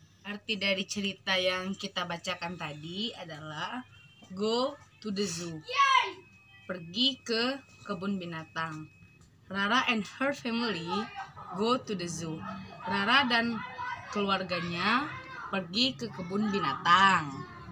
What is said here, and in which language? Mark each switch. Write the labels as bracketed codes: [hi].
[id] Arti dari cerita yang kita bacakan tadi adalah [en] go to the zoo. Yay! [id] Pergi ke kebun binatang. [en] Rara and her family go to the zoo. [id] Rara dan keluarganya pergi ke kebun binatang.